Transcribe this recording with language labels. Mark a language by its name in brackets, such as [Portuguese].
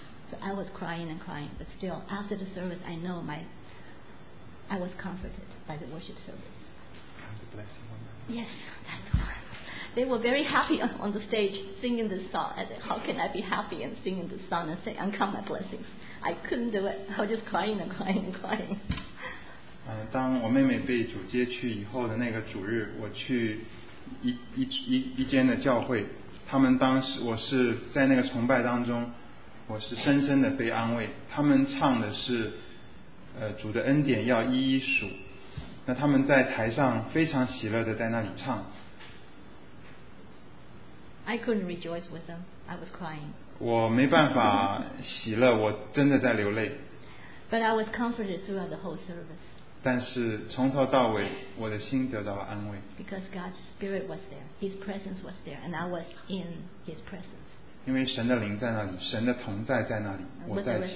[English] So I was crying and crying. But still, after the service, I know I was comforted by the worship service. Count the blessing on that. Yes, that's the one. They were very happy on the stage singing this song. I said, how can I be happy and singing this song and say, and count my blessings? I couldn't do it. I was just crying and crying and crying. [Chinese] 当我妹妹被主接去以后的那个主日，我去一间的教会，他们当时我是在那个崇拜当中，我是深深的被安慰。他们唱的是，主的恩典要一一数。那他们在台上非常喜乐的在那里唱。 [English] I couldn't rejoice with them. I was crying. [Chinese] 我没办法喜乐，我真的在流泪。 [English] But I was comforted throughout the whole service. [Chinese] 但是从头到尾，我的心得到了安慰。 [English] Because God's spirit was there, His presence was there, and I was in His presence. [Chinese] 因为神的灵在那里，神的同在在那里，我在其